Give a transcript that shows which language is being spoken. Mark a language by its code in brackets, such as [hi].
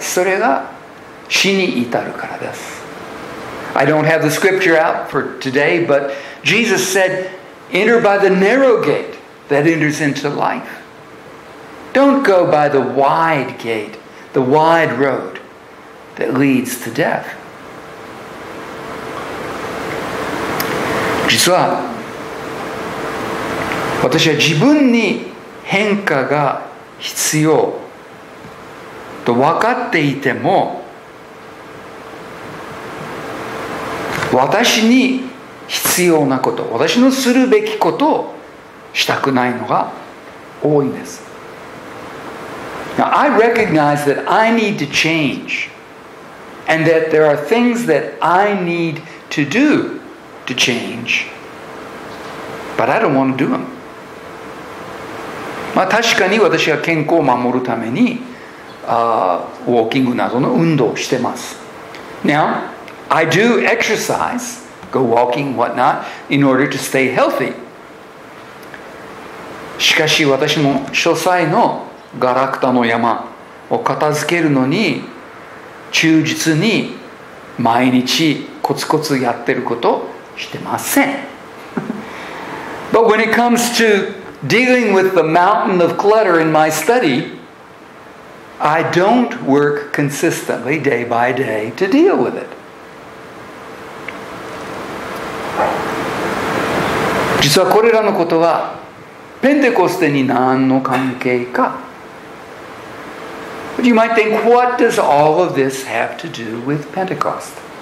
[ja] それが死に至るからです。 [en] I don't have the scripture out for today, but Jesus said, enter by the narrow gate that enters into life. Don't go by the wide gate, the wide road that leads to death. [ja] 実は、私は自分に変化が必要と分かっていても、私に必要なこと、私のするべきことをしたくないのが多いんです。 [en] Now, I recognize that I need to change and that there are things that I need to do to change, but I don't want to do them. [ja] まあ、確かに私は健康を守るためにウォーキングなどの運動をしてます。 [en] Now, I do exercise, go walking, whatnot, in order to stay healthy. [ja] しかし私も書斎のガラクタの山を片付けるのに忠実に毎日コツコツやってることしてません。 [en] But when it comes to dealing with the mountain of clutter in my study, I don't work consistently day by day to deal with it. [ja] 実はこれらのことはペンテコステに何の関係か。 [en] But you might think, what does all of this have to do with Pentecost?